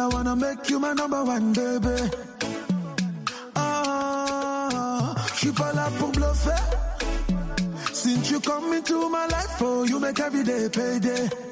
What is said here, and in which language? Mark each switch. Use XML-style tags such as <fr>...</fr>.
<en>I wanna make you my number one, baby.</en> <fr>Ah, je suis pas là pour bluffer.</fr> <en>Since you come into my life, oh, you make every day payday.</en>